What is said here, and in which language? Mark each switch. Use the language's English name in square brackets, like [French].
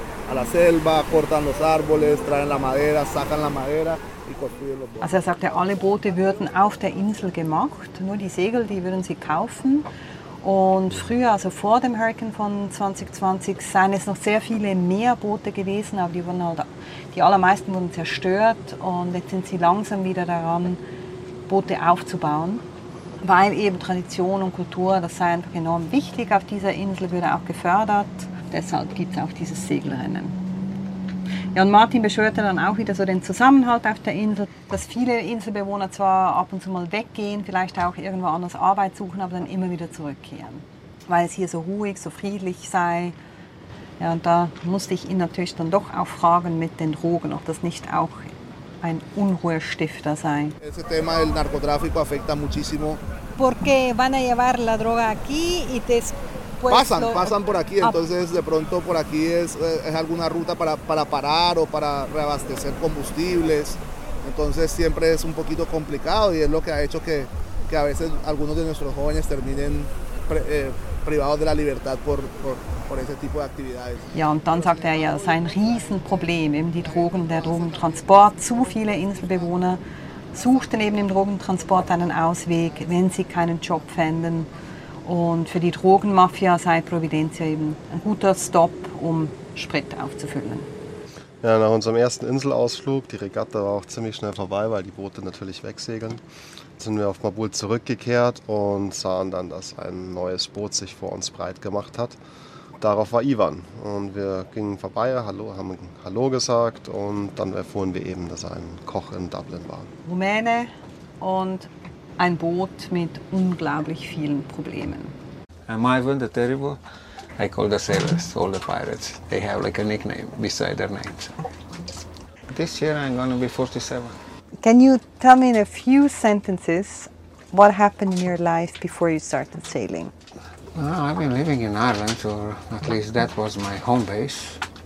[Spanish] A la selva, cortan los árboles, traen la madera, sacan la madera y construyen los botes. [German] Also er sagte, alle Boote würden auf der Insel gemacht, nur die Segel, die würden sie kaufen. Und früher, also vor dem Hurricane von 2020, seien es noch sehr viele mehr Boote gewesen, aber die allermeisten wurden zerstört und jetzt sind sie langsam wieder daran, Boote aufzubauen. Weil eben Tradition und Kultur, das sei einfach enorm wichtig auf dieser Insel, würde auch gefördert. Deshalb gibt es auch dieses Segelrennen. Ja, und Martin beschwörte dann auch wieder so den Zusammenhalt auf der Insel, dass viele Inselbewohner zwar ab und zu mal weggehen, vielleicht auch irgendwo anders Arbeit suchen, aber dann immer wieder zurückkehren, weil es hier so ruhig, so friedlich sei. Ja, und da musste ich ihn natürlich dann doch auch fragen mit den Drogen, ob das nicht auch ein Unruhestifter sei. Das Thema [Spanish] del narcotráfico afecta muchísimo. Porque van a llevar la droga aquí y te pasan por aquí, entonces de pronto por aquí es alguna ruta para parar o para reabastecer combustibles, entonces siempre es un poquito complicado y es lo que ha hecho que a veces algunos de nuestros jóvenes terminen privados de la libertad por ese tipo de actividades. [German] Ja, und dann sagt er ja, es ist ein Riesenproblem, eben die Drogen, der Drogentransport, zu viele Inselbewohner suchten eben im Drogentransport einen Ausweg, wenn sie keinen Job fänden. Und für die Drogenmafia sei Providencia eben ein guter Stopp, um Sprit aufzufüllen. Ja, nach unserem ersten Inselausflug, die Regatta war auch ziemlich schnell vorbei, weil die Boote natürlich wegsegeln, sind wir auf Mabul zurückgekehrt und sahen dann, dass ein neues Boot sich vor uns breit gemacht hat. Darauf war Ivan und wir gingen vorbei, haben Hallo gesagt und dann erfuhren wir eben, dass er ein Koch in Dublin war. Rumäne und ein Boot mit unglaublich vielen Problemen. [English] I'm Ivan the Terrible. I call the sailors, all the pirates. They have like a nickname beside their names. This year I'm going to be 47. Can you tell me in a few sentences what happened in your life before you started sailing? Well, I've been living in Ireland, or at least that was my home base.